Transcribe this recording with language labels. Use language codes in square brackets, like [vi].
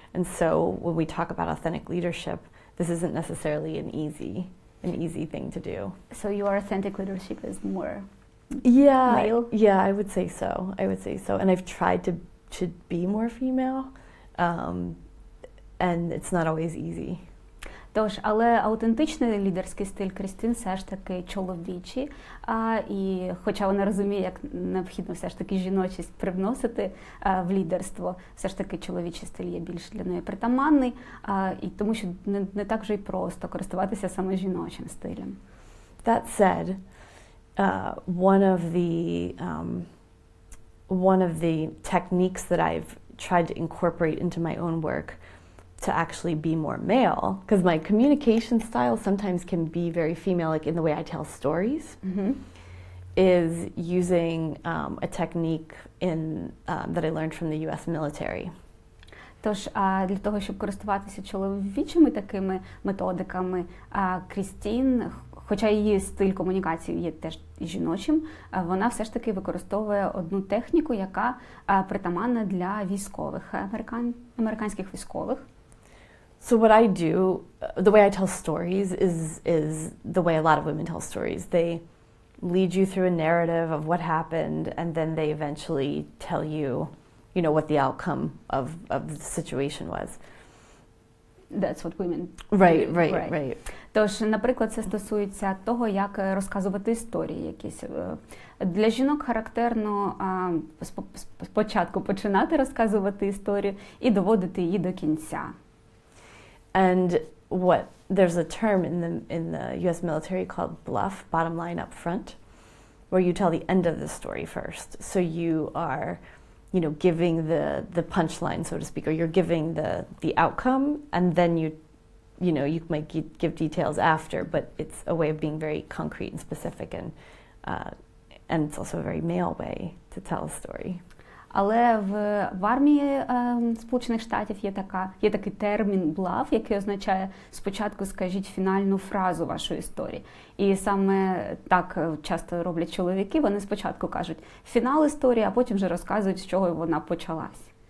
[en] And so when we talk about authentic leadership, this isn't necessarily an easy thing to do. So your authentic leadership is more male? Yeah, I would say so. And I've tried to be more female, and it's not always easy. [uk] Тож, але аутентичний лідерський стиль Крістін все ж таки чоловічий, і хоча вона розуміє, як необхідно все ж таки жіночість привносити в лідерство, все ж таки чоловічий стиль є більш для неї притаманний, і тому що не так вже й просто користуватися саме жіночим стилем. [en] That said, one of the techniques that I've tried to incorporate into my own work to actually be more male, because my communication style sometimes can be very female, like in the way I tell stories, is using a technique in that I learned from the US military. [uk] Тож, для того, щоб користуватися чоловічими такими методиками, Крістін, хоча її стиль комунікації є теж жіночим, вона все ж таки використовує одну техніку, яка притаманна для військових, американських військових. [en] So what I do, the way I tell stories is the way a lot of women tell stories. They lead you through a narrative of what happened, and then they eventually tell you, you know, what the outcome of the situation was. That's what women Right. [uk] Тож, наприклад, це стосується того, як розказувати історії якісь. Для жінок характерно спочатку починати розказувати історію і доводити її до кінця. [en] And what there's a term in the US military called bluff, bottom line up front, where you tell the end of the story first. So you are, you know, giving the punchline, so to speak, or you're giving the outcome, and then you might give details after, but it's a way of being very concrete and specific, and it's also a very male way to tell a story. [uk] Але в армії Сполучених Штатів є такий термін «блаф», який означає «спочатку скажіть фінальну фразу вашої історії». І саме так часто роблять чоловіки, вони спочатку кажуть «фінал історії», а потім вже розказують, з чого вона почалась.